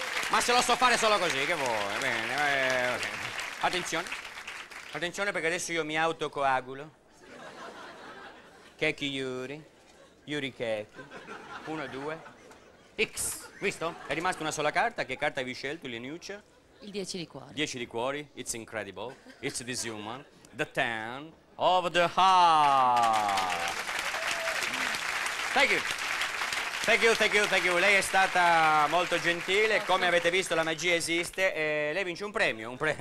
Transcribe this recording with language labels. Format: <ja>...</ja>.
<it>Ma se lo so fare solo così, che vuoi? Bene, ok. Attenzione, attenzione perché adesso io mi autocoagulo. Kekki Yuri, Yuri Kekki, 1, 2, X, visto? È rimasta una sola carta, che carta hai scelto, Ileniuccia? Il 10 di cuori. 10 di cuori,</it> <en>it's incredible, it's this human, the 10 of the heart. Thank you. Thank you.</en> <it>Lei è stata molto gentile, come avete visto la magia esiste, e lei vince un premio.</it>